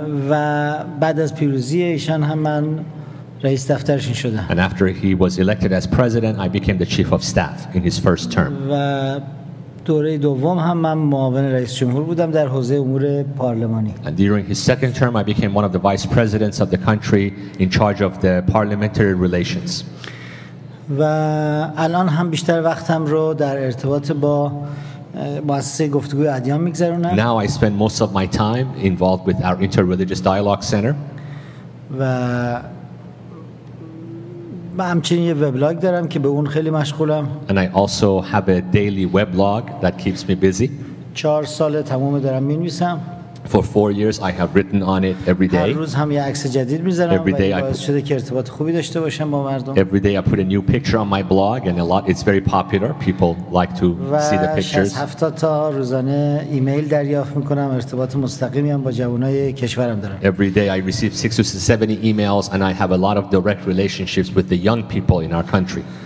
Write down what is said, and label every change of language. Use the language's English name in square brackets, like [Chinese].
[Persian] و بعد از پیروزی ایشان هم من رئیس دفترشون شدم. [English] And after he was elected as president, I became the chief of staff in his first term. [Persian] و دوره دوم هم من معاون رئیس جمهور بودم در حوزه امور پارلمانی. [English] And during his second term, I became one of the vice presidents of the country in charge of the parliamentary relations. [Persian] و الان هم بیشتر وقتم رو در ارتباط با مؤسسه گفتگوی ادیان می‌گذرونم. [English] Now I spend most of my time involved with our interreligious dialogue center. [Persian] و من همچنین یه وبلاگ دارم که به اون خیلی مشغولم. [English] And I also have a daily weblog that keeps me busy. [Persian] 4 سال تمام دارم می‌نویسم. [English] For 4 years I have written on it every day. [Persian] هر روز هم یه عکس جدید می‌ذارم. [English] Every day I [Persian] باعث شده که ارتباط خوبی داشته باشم با مردم. [English] Every day I put a new picture on my blog and a lot it's very popular. People like to see the pictures. [Persian] و 60 تا روزانه ایمیل دریافت می‌کنم، ارتباط مستقیمی هم با جوانای کشورم دارم. [English] Every day I receive 60 to 70 emails and I have a lot of direct relationships with the young people in our country.